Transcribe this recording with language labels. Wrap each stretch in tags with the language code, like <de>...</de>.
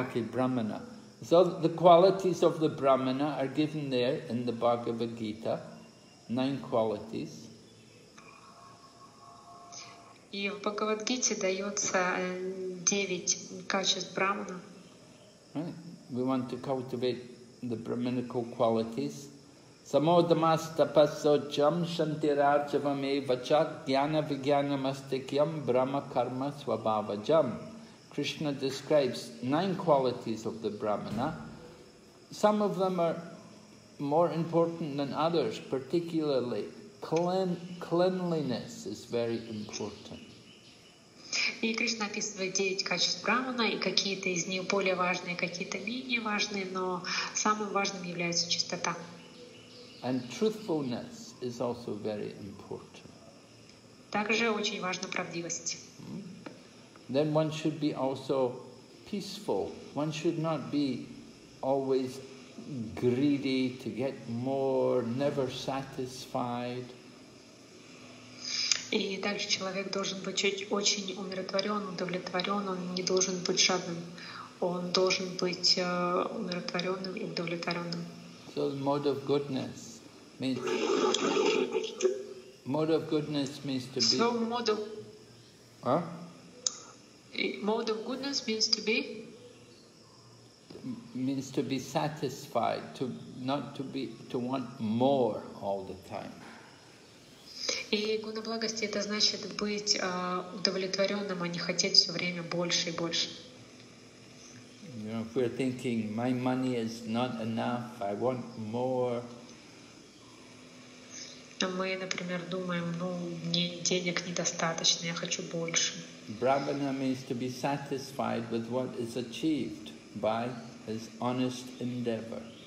<en>Okay, Brahmana. So the qualities of the Brahmana are given there in the Bhagavad Gita, 9 qualities.</en> <ru>И в Бхагавад Гите дается 9 качеств Брахмана.</ru> <en>We want to cultivate the Brahminical qualities.</en> <sa>Самодамастапасочам шантирарчавам эвачат гьяна вигьянамастикьям брахма карма свабаваджам.</sa> <en>Krishna describes 9 qualities of the Brahmana. Some of them are more important than others, particularly cleanliness is very important.</en> <ru>И Кришна описывает 9 качеств Брахмана, и какие-то из них более важные, какие-то менее важные, но самым важным является чистота.</ru> <en>And truthfulness is also very important.</en> <ru>Также очень важна правдивость.</ru> <en>Then one should be also peaceful. One should not be always greedy to get more, never satisfied.</en> <ru>И также человек должен быть очень умиротворен, удовлетворен. Он не должен быть жадным. Он должен быть умиротворенным и удовлетворенным.</ru> <en>So the mode of goodness. Mode of goodness means to be. So mode of. Huh? Mode of goodness means to be. Means to be satisfied, to not to be to want more all the time.</en> <ru>И гуна благости — это значит быть удовлетворенным, а не хотеть все время больше и больше.</ru> <en>You know, if we're thinking my money is not enough, I want more.</en> <ru>Мы, например, думаем, ну, мне денег недостаточно, я хочу больше.</ru> <en>Brahmana means to be satisfied with what is achieved by his honest endeavor.</en>